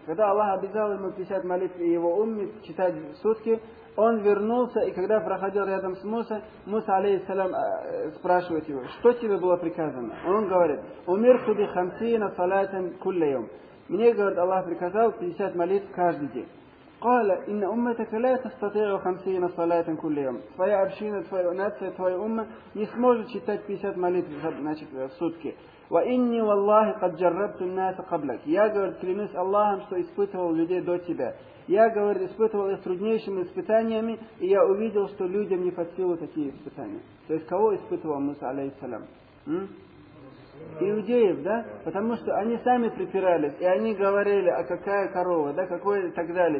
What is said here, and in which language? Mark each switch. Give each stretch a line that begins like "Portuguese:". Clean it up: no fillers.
Russian: Когда Аллах обязал ему 50 молитв и его умми читать в сутки, он вернулся, и когда проходил рядом с Муса, Муса, алейхиссалям, спрашивает его, что тебе было приказано? Он говорит,
Arabic: умирту би хамсина салатин куллейум.
Russian: Мне, говорит, Аллах приказал 50 молитв каждый день.
Arabic: قال إن أمتك لا تستطيع 50 صلاة كل يوم.
Russian: твоя община, твоя нация, твоя умма не сможет читать 50 молитв в сутки.
Arabic: وإني والله قد جربت الناس قبلك.
Russian: Я говорю, клянусь Аллахом, что испытывал людей до тебя. Я говорю, испытывал их труднейшими испытаниями, и я увидел, что людям не под силу такие испытания. То есть кого испытывал Муса алейхиссалям? Иудеев, да? Потому что они сами припирались, и они говорили, а какая корова, да, какой и так далее.